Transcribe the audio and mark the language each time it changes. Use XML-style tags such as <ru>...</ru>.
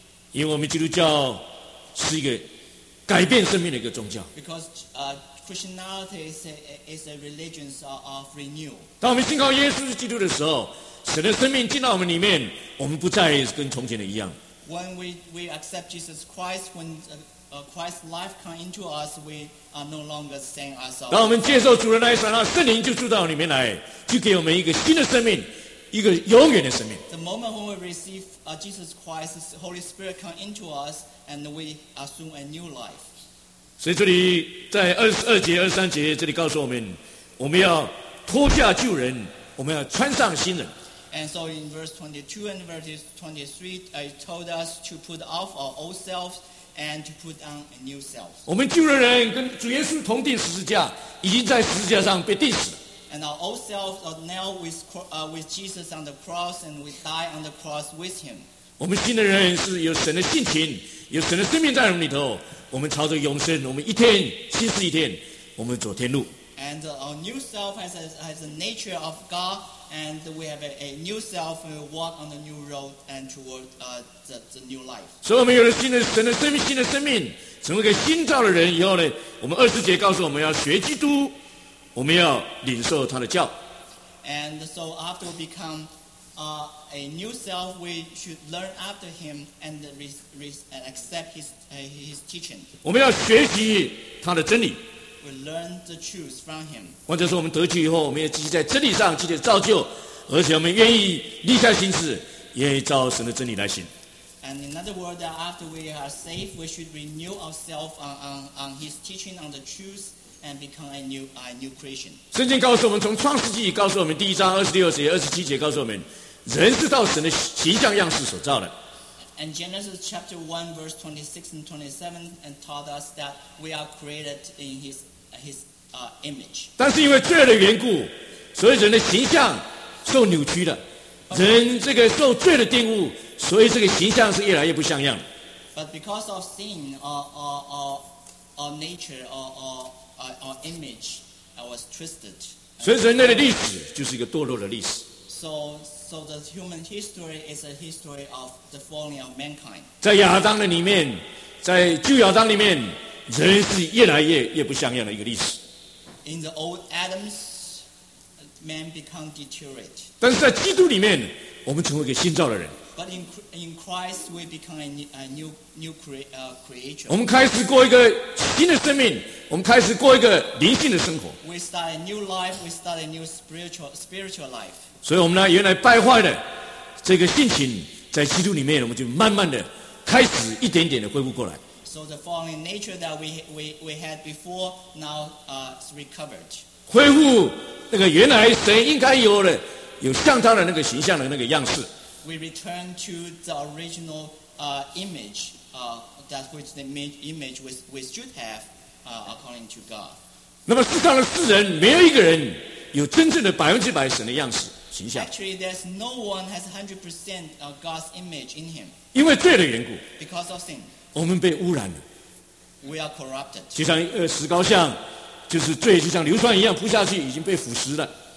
<zh>因为我们基督教是一个改变生命的一个宗教。</zh> <en>Because Christianity is a religion of renew.</en> <zh>当我们信靠耶稣基督的时候，神的生命进到我们里面，我们不再跟从前的一样。</zh> <en>When we accept Jesus Christ, when Christ's life comes into us, we are no longer the same ourselves.</en> <zh>当我们接受主的那一刹那，圣灵就住到我们里面来，就给我们一个新的生命。一个永远的生命。</zh> <en>The moment when we receive Jesus Christ, the Holy Spirit come into us, and we assume a new life.</en> <zh>所以这里在22节、23节，这里告诉我们，我们要脱下旧人，我们要穿上新人。</zh> <en>And so in verse 22 and verse 23, it told us to put off our old selves and to put on a new self.</en> <zh>我们旧人跟主耶稣同钉十字架，已经在十字架上被钉死了。</zh> <en>And our old selves are nailed with Jesus on the cross, and we die on the cross with Him.</en> <zh>我们新的人是有神的性情，有神的生命在我们里头。我们朝着永生，我们一天新是一天，我们走天路。</zh> <en>And our new self has the nature of God, and we have a new self, and we walk on the new road and toward the new life.</en> <zh>所以我们有了新的神的生命，新的生命，成为一个新造的人以后呢，我们二十节告诉我们要学基督。我们要领受他的教。</zh> <en>And so after we become a new self, we should learn after him and accept his teaching.</en> <zh>我们要学习他的真理。</zh> <en>We learn the truth from him.</en> <zh>或者说我们得救以后，我们要继续在真理上继续造就，而且我们愿意立下心志，愿意照神的真理来行。</zh> <en>And in other words, after we are saved, we should renew ourselves on his teaching on the truth. And become a new creation.</en> <zh>圣经告诉我们，从创世纪告诉我们，第一章26节、27节告诉我们，人是照神的形象样式所造的。</zh> <en>And Genesis chapter 1 verse 26 and 27 and taught us that we are created in his image.</en> <zh>但是因为罪的缘故，所以人的形象受扭曲了。人这个受罪的玷污，所以这个形象是越来越不像样。</zh> <en>But because of sin, our nature, our image was twisted.</en> <zh>所以人类的历史就是一个堕落的历史。</zh> <en>So the human history is a history of the falling of mankind.</en> <zh>在亚当的里面，在旧亚当里面，人是越来越不像样的一个历史。</zh> <en>In the old Adams, man become deteriorate.</en> <zh>但是在基督里面，我们成为一个新造的人。</zh> <en>But in Christ, we become a new creation.</en> <zh>我们开始过一个新的生命，我们开始过一个灵性的生活。</zh> <en>We start a new life. We start a new spiritual life.</en> <zh>所以我们呢，原来败坏的这个性情，在基督里面，我们就慢慢的开始一点点的恢复过来。</zh> <en>So the fallen nature that we had before now is recovered.</en> <zh>恢复那个原来神应该有的，有像他的那个形象的那个样式。</zh> <en>We return to the original image that which the image we should have according to God.</en> <zh>那么世上的世人没有一个人有真正的百分之百神的样式形象。</zh> <en>Actually, there's no one has 100% of God's image in him.</en> <zh>因为罪的缘故。</zh> <en>Because of sin.</en> <zh>我们被污染了。</zh> <en>We are corrupted.</en> <zh>就像石膏像，就是罪，就像硫酸一样扑下去，已经被腐蚀了。</zh>